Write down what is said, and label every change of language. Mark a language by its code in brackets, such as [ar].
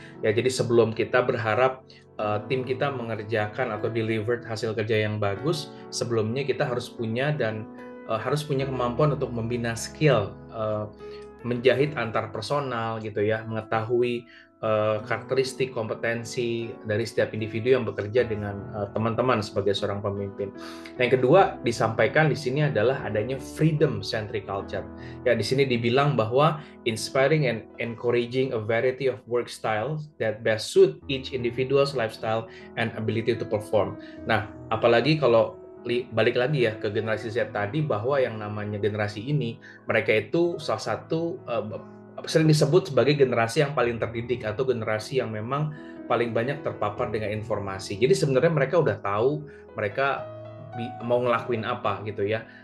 [id] Ya, jadi sebelum kita berharap tim kita mengerjakan atau delivered hasil kerja yang bagus, sebelumnya kita harus punya dan harus punya kemampuan untuk membina skill menjahit antar personal gitu ya, mengetahui karakteristik kompetensi dari setiap individu yang bekerja dengan teman-teman sebagai seorang pemimpin. Yang kedua disampaikan di sini adalah adanya freedom centric culture. Ya, di sini dibilang bahwa [en] inspiring and encouraging a variety of work styles that best suit each individual's lifestyle and ability to perform. [id] Nah, apalagi kalau balik lagi ya ke generasi Z tadi, bahwa yang namanya generasi ini mereka itu salah satu sering disebut sebagai generasi yang paling terdidik atau generasi yang memang paling banyak terpapar dengan informasi. Jadi sebenarnya mereka udah tahu mereka mau ngelakuin apa gitu ya.